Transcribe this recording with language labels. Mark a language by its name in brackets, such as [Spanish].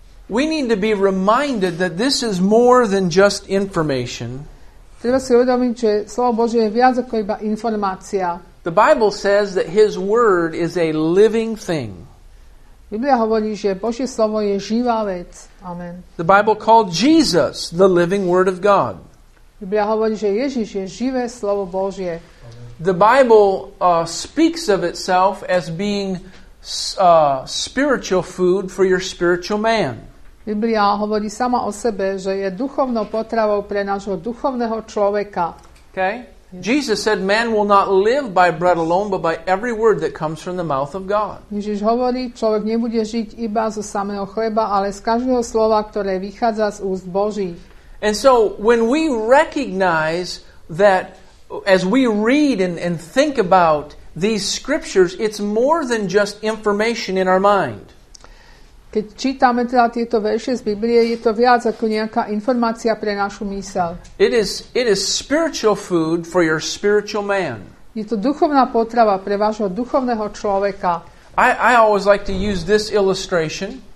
[English] we need to be reminded that this is more than just information. [Slovak] Treba si uvedomiť, že slovo Božie je viac ako iba informácia. [English] The Bible says that His Word is a living thing. [Slovak] Biblia hovorí, že Božie slovo je živá vec. Amen. [English] The Bible called Jesus the living Word of God. [Slovak] Biblia hovorí, že Ježiš je živé slovo Božie. [English] The Bible speaks of itself as being spiritual food for your spiritual man. [Slovak] Biblia hovorí sama o sebe, že je duchovnou potravou pre nášho duchovného človeka. [English] Okay? Jesus said man will not live by bread alone, but by every word that comes from the mouth of God. [Slovak] Ježiš hovorí, človek nebude žiť iba zo samého chleba, ale z každého slova, ktoré vychádza z úst Božích. [English] And so when we recognize that as we read and think about these scriptures, it's more than just information in our mind. [Slovak] Keď čítame teda tieto verše z Biblie, je to viac ako nejaká informácia pre našu myseľ. [English] It is spiritual food for your spiritual man. [Slovak] Je to duchovná potrava pre vášho duchovného človeka. [English] I always like to use this illustration.